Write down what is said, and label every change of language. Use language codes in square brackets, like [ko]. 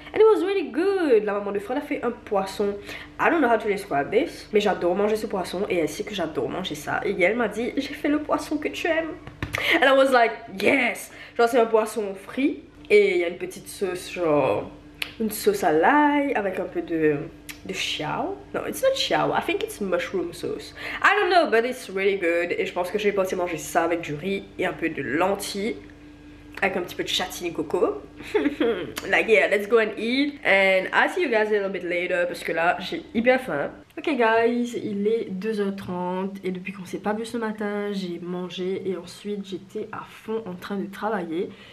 [en] And it was really good. [fr] La maman de Fred a fait un poisson. [en] I don't know how to describe this. [fr] Mais j'adore manger ce poisson et elle sait que j'adore manger ça. Et elle m'a dit j'ai fait le poisson que tu aimes. [en] And I was like, yes! [fr] Genre, c'est un poisson frit et il y a une petite sauce, genre une sauce à l'ail avec un peu de chiao. [en] Non, it's not chiao, I think it's mushroom sauce. I don't know, but it's really good. [fr] Et je pense que je vais penser manger ça avec du riz et un peu de lentilles avec un petit peu de châtaigne coco. [en] Like, yeah, let's go and eat. And I'll see you guys a little bit later [fr] parce que là, j'ai hyper faim. [en] Ok guys, [fr] il est 2h30 et depuis qu'on s'est pas vu ce matin, j'ai mangé et ensuite j'étais à fond en train de travailler.